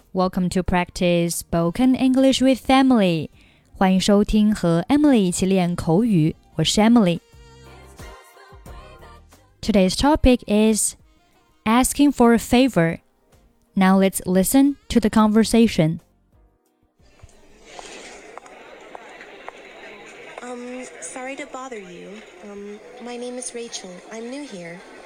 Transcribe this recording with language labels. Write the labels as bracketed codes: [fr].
[en] Welcome to practice spoken English with Emily. [zh] 欢迎收听和 Emily 一起练口语。我是 Emily. [en] Today's topic is asking for a favor. Now let's listen to the conversation. Sorry to bother you. My name is Rachel. I'm new here.